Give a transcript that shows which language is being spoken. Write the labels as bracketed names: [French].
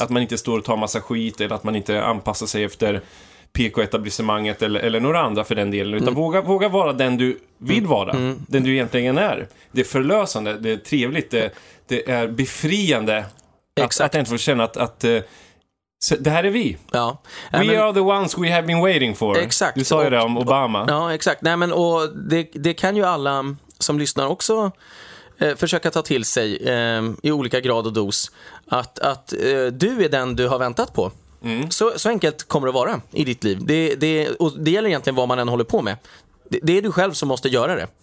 [Swedish] Att man inte står och tar massa skit. Eller att man inte anpassar sig efter PK-etablissemanget eller några andra för den delen. Utan våga vara den du vill vara. Mm. Den du egentligen är. Det är förlösande, det är trevligt. Det är befriande. Exakt. Att inte få känna att så det här är vi. Ja. [English] We are the ones we have been waiting for. [Swedish] Exakt. Du sa ju det om Obama. Ja, exakt. Nej, men, och det kan ju alla som lyssnar också försöka ta till sig i olika grad och dos. Att du är den du har väntat på. Mm. Så enkelt kommer det vara i ditt liv. Och det gäller egentligen vad man än håller på med. Det är du själv som måste göra det.